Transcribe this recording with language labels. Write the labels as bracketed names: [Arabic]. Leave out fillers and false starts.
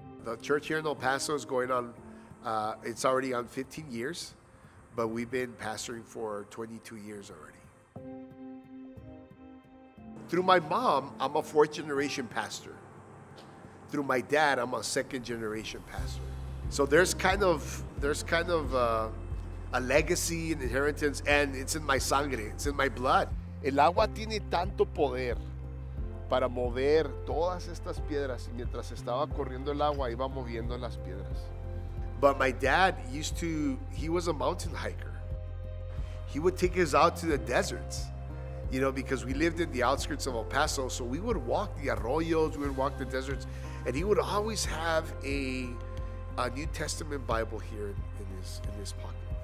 [English] The church here in El Paso is going on, it's already on 15 years, but we've been pastoring for 22 years already. Through my mom, I'm a fourth generation pastor. Through my dad, I'm a second generation pastor. So there's kind of a legacy, an inheritance, and it's in my sangre, it's in my blood. [Spanish] El agua tiene tanto poder para mover todas estas piedras, y mientras estaba corriendo el agua, iba moviendo las piedras. [English] But my dad used to, he was a mountain hiker. He would take us out to the deserts, you know, because we lived in the outskirts of El Paso, so we would walk the arroyos, we would walk the deserts, and he would always have a New Testament Bible here in his pocket.